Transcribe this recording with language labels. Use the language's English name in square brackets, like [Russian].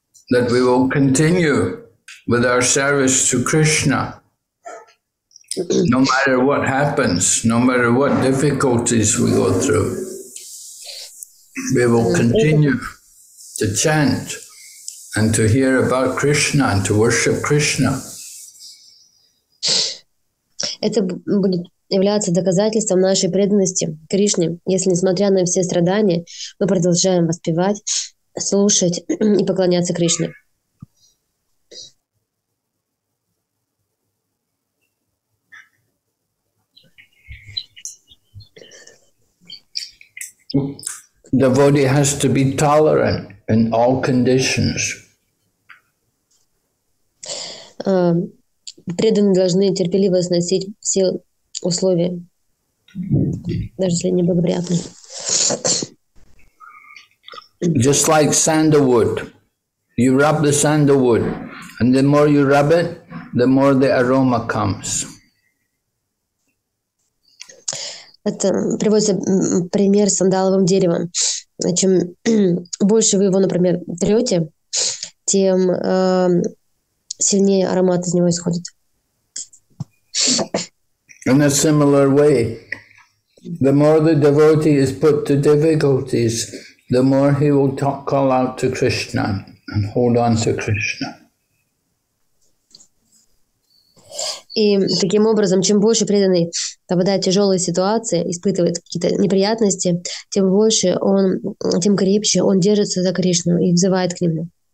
[English] That we will continue with our service to Krishna, no matter what happens, no matter what difficulties we go through. We will continue to chant and to hear about Krishna and to worship Krishna. [Russian] Это будет являться доказательством нашей преданности Кришне, если, несмотря на все страдания, мы продолжаем воспевать, слушать и поклоняться Кришне. [English] Devotee has to be tolerant in all conditions. [Russian] Преданные должны терпеливо сносить все условия, даже если неблагоприятные. [English] Just like sandalwood, you rub the sandalwood, and the more you rub it, the more the aroma comes. [Russian] Это приводится пример с сандаловым деревом. Чем больше вы его, например, трете, тем сильнее аромат из него исходит. [English] In a similar way, the more the devotee is put to difficulties, the more he will talk, call out to Krishna and hold on to Krishna. [Russian] И таким образом, чем больше преданный попадает в тяжелые ситуации, испытывает какие-то неприятности, тем больше он, тем крепче он держится за Кришну и взывает к нему.